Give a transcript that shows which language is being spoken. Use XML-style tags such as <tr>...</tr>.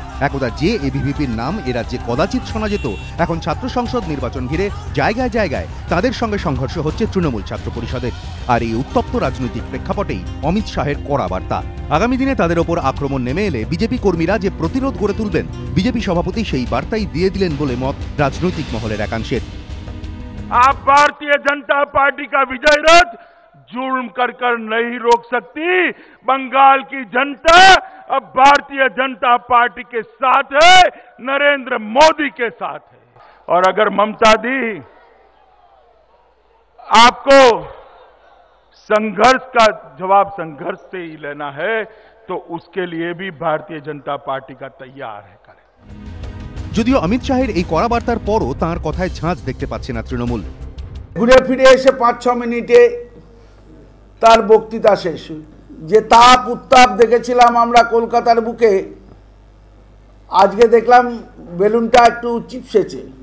<bn>একদা যে এবিভিপির নাম এরাজ্যে কদাচিৎ শোনা যেত, এখন ছাত্র সংসদ নির্বাচন ঘিরে জায়গায় জায়গায় তাদের সঙ্গে সংঘর্ষ হচ্ছে তৃণমূল ছাত্র পরিষদের। আর এই উত্তপ্ত রাজনৈতিক প্রেক্ষাপটেই অমিত শাহের কড়া বার্তা, আগামী দিনে তাদের ওপর আক্রমণ নেমে এলে বিজেপি কর্মীরা যে প্রতিরোধ গড়ে তুলবেন বিজেপি সভাপতি সেই বার্তাই দিয়ে দিলেন বলে মত রাজনৈতিক মহলের একাংশের।</bn> <hi>आप भारतीय जनता पार्टी का विजय रथ जुर्म कर नहीं रोक सकती, बंगाल की जनता अब भारतीय जनता पार्टी के साथ है, नरेंद्र मोदी के साथ है। और अगर ममता दी आपको संघर्ष का जवाब संघर्ष से ही लेना है तो उसके लिए भी भारतीय जनता पार्टी का तैयार है करें।</hi> <bn>যদিও অমিত শাহের এই কড়া বার্তার পরও তাঁর কথায় ঝাঁজ দেখতে পাচ্ছে না তৃণমূল। ঘুরে ফিরে এসে পাঁচ ছ মিনিটে তার বক্তৃতা শেষ, যে তাপ উত্তাপ দেখেছিলাম আমরা কলকাতার বুকে, আজকে দেখলাম বেলুনটা একটু চিপসেছে।</bn>